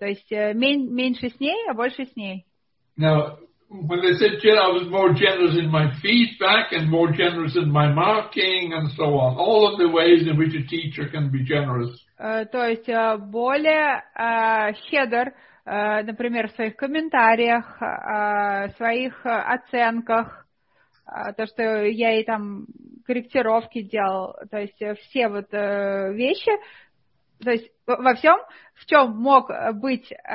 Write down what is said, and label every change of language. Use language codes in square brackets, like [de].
[ru] То есть меньше с ней, а больше с ней. [en] Now, when they said I was more generous in my feedback and more generous in my marking and so on, all of the ways in which a teacher can be generous. [ru] То есть более щедр, например, в своих комментариях, своих оценках, то, что я ей там корректировки делал, то есть все вот вещи, то есть во всем, в чем мог быть